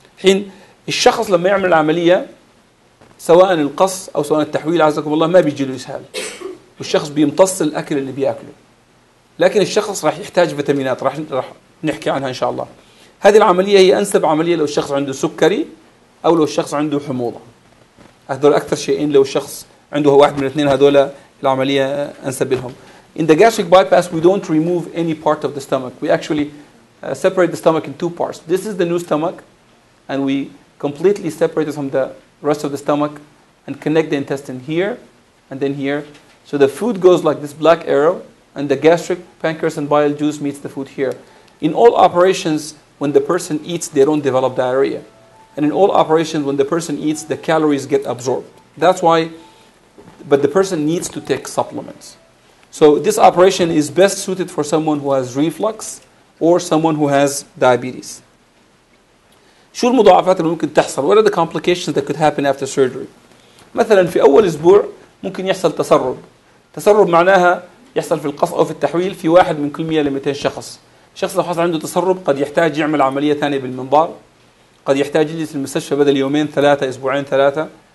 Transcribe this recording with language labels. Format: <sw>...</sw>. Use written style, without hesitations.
<ar>حين الشخص لما يعمل العملية سواء القص أو سواء التحويل عزكم الله ما بيجي له إسهال، والشخص بيمتص الأكل اللي بيأكله، لكن الشخص راح يحتاج فيتامينات راح نحكي عنها إن شاء الله. هذه العملية هي أنسب عملية لو الشخص عنده سكري أو لو الشخص عنده حموضة، هذول أكثر شيئين لو الشخص عنده واحد من الاثنين هذول العملية أنسب لهم.</ar> <en>In the gastric bypass we don't remove any part of the stomach. We actually separate the stomach in two parts. This is the new stomach and we completely separate it from the rest of the stomach and connect the intestine here and then here. So the food goes like this black arrow and the gastric, pancreas and bile juice meets the food here. In all operations when the person eats they don't develop diarrhea. And in all operations when the person eats the calories get absorbed. That's why, but the person needs to take supplements. So this operation is best suited for someone who has reflux or someone who has diabetes.</en> <ar>شو المضاعفات اللي ممكن تحصل؟</ar> <en>What are the complications that could happen after surgery?</en> <ar>مثلا في أول أسبوع ممكن يحصل تسرب. تسرب معناها يحصل في القص أو في التحويل في واحد من كل 100 ل 200 شخص. شخص لو حصل عنده تسرب قد يحتاج يعمل عملية ثانية بالمنظار. قد يحتاج يجلس المستشفى بدل يومين ثلاثة أسبوعين ثلاثة.</ar>